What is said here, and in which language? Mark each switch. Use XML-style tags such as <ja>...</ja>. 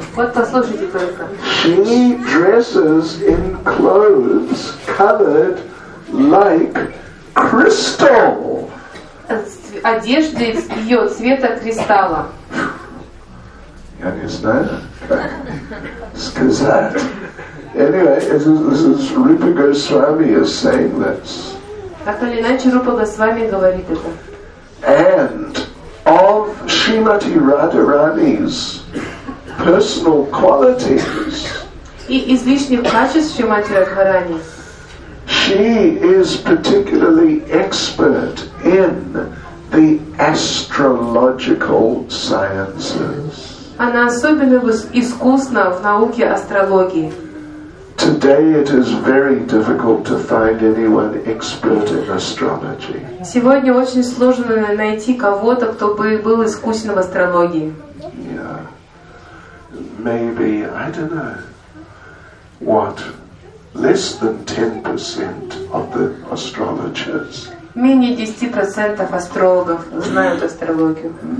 <ru>Вот послушайте только.</ru> <en>She dresses in clothes colored like crystal.</en> <ru>Одежда ее цвета кристалла. Я не знаю. Сказать.</ru> <en>Anyway, this is Rupa Goswami is saying this.</en> <ru>Так или иначе, Рупа Госвами говорит это.</ru> <en>And of Shrimati Radharani's personal qualities.</en> <ru>И излишних качеств Шримати Радхарани.</ru> <en>She is particularly expert in the astrological sciences.</en> <ru>Она особенно искусна в науке астрологии.</ru> <en>Today it is very difficult to find anyone expert in astrology.</en> <ru>Сегодня очень сложно найти кого-то, кто бы был искусен в астрологии.</ru> <en>Maybe, I don't know, what, less than 10% of the astrologers.</en> <ru>Менее 10% астрологов знают астрологию.</ru>